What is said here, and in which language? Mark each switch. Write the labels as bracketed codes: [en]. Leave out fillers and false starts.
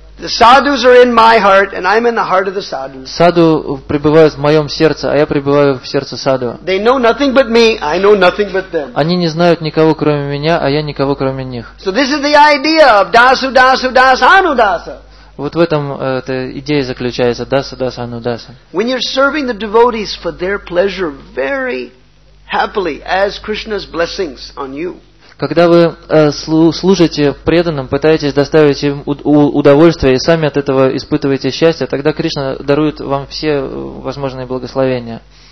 [en] The sadhus are in my heart, and I'm in the heart of the sadhus. [ru] Саду пребывают в моем сердце, а я пребываю в сердце саду. [en] They know nothing but me, I know nothing but them. [ru] Они не знают никого кроме меня, а я никого кроме них. [en] So this is the idea of dasu dasu das anu dasa. [ru] Вот в этом эта идея заключается dasu das anu dasa. [en] When you're serving the devotees for their pleasure, very happily, as Krishna's blessings on you. [ru] Когда вы служите преданным, пытаетесь доставить им удовольствие и сами от этого испытываете счастье, тогда Кришна дарует вам все возможные благословения.